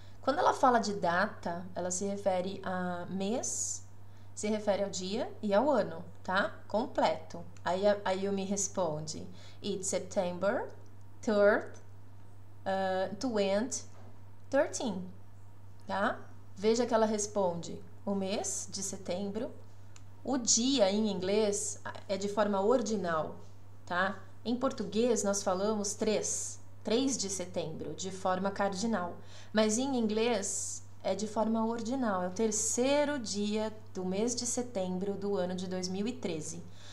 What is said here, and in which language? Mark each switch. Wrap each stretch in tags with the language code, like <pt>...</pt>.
<pt>Quando ela fala de data, ela se refere a mês, se refere ao dia e ao ano, tá? Completo. Aí a Yumi responde:</pt> <en>It's September 3rd, 2013.</en> <pt>Tá? Veja que ela responde: o mês de setembro. O dia em inglês é de forma ordinal, tá? Em português, nós falamos 3, 3 de setembro, de forma cardinal. Mas em inglês, é de forma ordinal. É o terceiro dia do mês de setembro do ano de 2013.</pt>